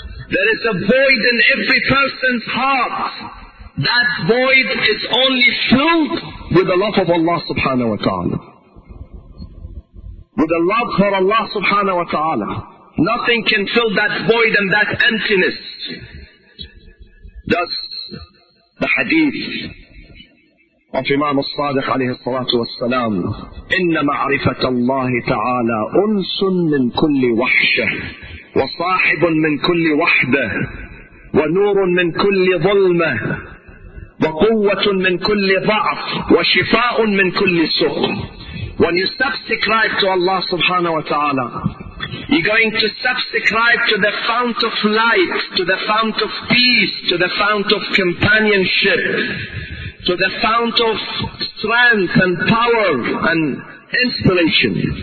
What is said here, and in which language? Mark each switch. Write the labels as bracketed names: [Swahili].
[English] There is a void in every person's heart. That void is only filled with the love of Allah subhanahu wa ta'ala. With the love for Allah subhanahu wa ta'ala. Nothing can fill that void and that emptiness. Thus, the hadith of Imam al-Sadiq alayhi salatu wasalam, [Arabic] إِنَّ مَعْرِفَةَ اللَّهِ تَعَالَىٰ أُنْسٌ مِّن كُلِّ وَحْشَةٍ وَصَاحِبٌ مِّن كُلِّ وَحْدَةٍ وَنُورٌ مِّن كُلِّ ظُلْمَةٍ وَقُوَّةٌ مِّن كُلِّ ضَعْفٍ وَشِفَاءٌ مِّن كُلِّ سُقْمٍ. [English] When you subscribe to Allah subhanahu wa ta'ala, you're going to subscribe to the fount of light, to the fount of peace, to the fount of companionship, to the fount of strength and power and inspiration.